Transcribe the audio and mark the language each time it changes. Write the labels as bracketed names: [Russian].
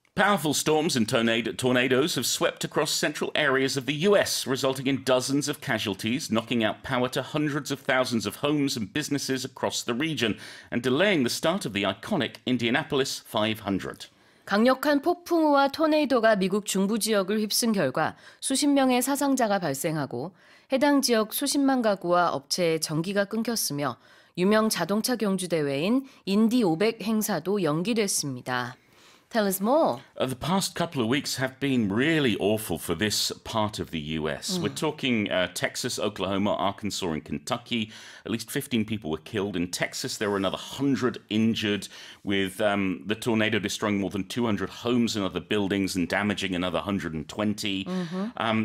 [English] Powerful storms and tornadoes have swept across central areas of the U.S., resulting in dozens of casualties, knocking out power to hundreds of thousands of homes and businesses across the region, and delaying the start of the iconic Indianapolis 500. [Korean] 강력한 폭풍우와 토네이도가 미국 중부 지역을 휩쓴 결과 수십 명의 사상자가 발생하고 해당 지역 수십만 가구와 업체의 전기가 끊겼으며 유명 자동차 경주 대회인 인디 500 행사도 연기됐습니다. [English] Tell us more. The past couple of weeks have been really awful for this part of the U.S. Mm. We're talking Texas, Oklahoma, Arkansas, and Kentucky. At least 15 people were killed. In Texas, there were another 100 injured, with the tornado destroying more than 200 homes and other buildings and damaging another 120. Mm-hmm.